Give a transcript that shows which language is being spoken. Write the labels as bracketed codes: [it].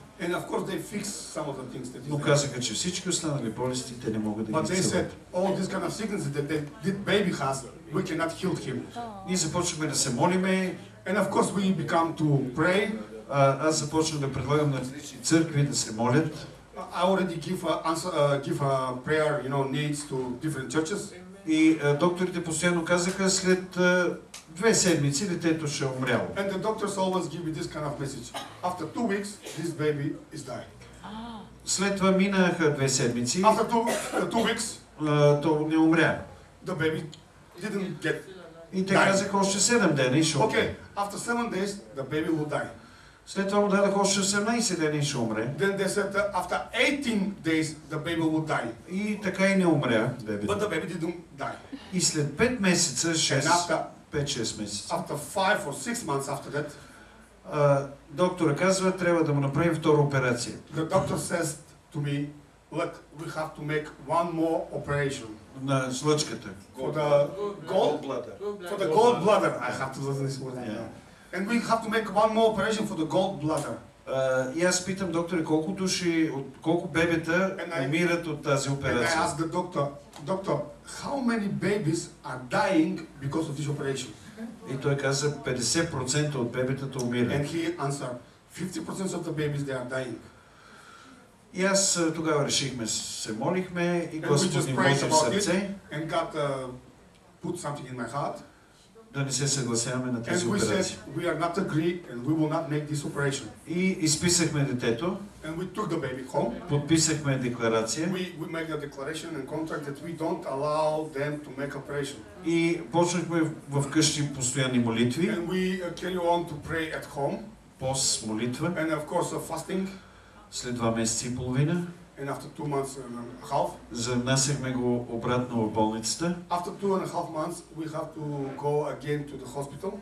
[en] And of course they fix some of the things that [bg] Но казаха, че всички останали болести те не могат да ги целят. [en] But they said all these kind of sicknesses that the baby has, we cannot heal him. [bg] И започваме да се молиме. [en] And of course we become to pray. [bg] Аз започвам да предлагам на църкви да се молят. [en] I already give a prayer, you know, needs to different churches. [bg] И докторите постоянно казаха след две седмици детето ще умряло. [en] And the doctors always give me this kind of message. After 2 weeks this baby is dying. [bg] След това минаха две седмици. [en] After two weeks [bg] то не умря. [en] The baby didn't get. [bg] И те казаха още 7 дни и ще умре. [en] Okay, after 7 days the baby will die. [bg] След това му дадаха още 18 дни и ще умре. [en] Then they said after 18 days the baby will die. [bg] И така и не умря бебето. [en] But the baby didn't die. [bg] И след 5 месеца, 6 5-6 месеца. [en] After 5 or 6 months after that, [bg] доктора казва, трябва да му направим втора операция. [en] The doctor says to me, look, we have to make one more operation. [bg] На жлъчката. [en] For the gold bladder. I have to listen to this word. Yeah. And we have to make one more operation for the gold bladder. [bg] И аз питам доктора, колко души, колко бебета умират от тази операция. [en] And I ask the doctor, how many babies are dying because of this operation? [bg] И той каза 50% от бебетата умират. [en] And he answer 50% of the babies they are dying. [bg] И аз тогава решихме, се молихме и Господ ни вложи в сърце. [en] And God put something in my heart. [bg] Да не се съгласяваме на тези операции. [en] And we said we are not agree and we will not make this operation. [bg] И изписахме детето. [en] And we took the baby home. [bg] Подписахме декларация. [en] We made a declaration and contract that we don't allow them to make operation. [bg] И почнахме в къщи постоянни молитви. [en] And we carry on to pray at home. [bg] Пост, молитва. [en] And of course a fasting. [bg] След 2 месеца и половина. [en] And after 2 months and a half, [bg] занесехме го обратно в болницата. [en] After 2 and a half months, we have to go again to the hospital.